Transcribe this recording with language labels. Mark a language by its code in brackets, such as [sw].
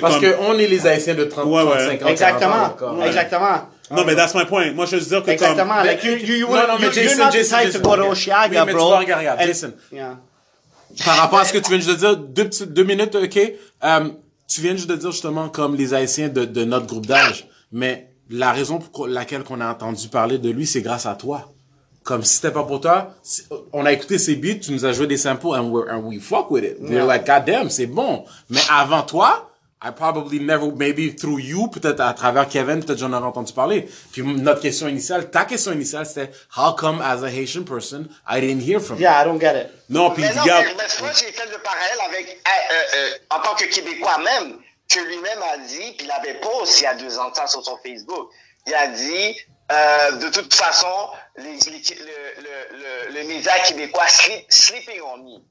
[fr] parce qu'on est les Haïtiens de 30, ouais, 35 ans. Exactement. Exactement. Non, mais [en] that's my point. [fr] Moi, je veux dire que exactement. Comme... Exactement. [en] Like, you're not the type to go to Oshiaga, bro. [fr] Mais tu vas regarder. [en] Listen. Yeah. [fr] Par rapport à ce que tu viens juste de dire, deux minutes, OK? Tu viens juste de dire, justement, comme les Haïtiens de notre groupe d'âge, mais la raison pour laquelle qu'on a entendu parler de lui, c'est grâce à toi. Comme si c'était pas pour toi, on a écouté ses beats, tu nous as joué des samples, [en] and we fuck with it. We're like, god damn, [fr] c'est bon. Mais avant toi, peut-être à travers Kevin, peut-être j'en aurais entendu parler. Puis notre question initiale, ta question initiale, c'était, [en] how come as a Haitian person, I didn't hear from you? Yeah, I don't get it. [fr] Non, puis mais regarde. Mais moi, j'ai fait le parallèle avec, en tant que Québécois même, que lui-même a dit, puis il avait posté il y a 2 ans de ça sur son Facebook, il a dit, de toute façon, le média québécois [en] sleeping on me.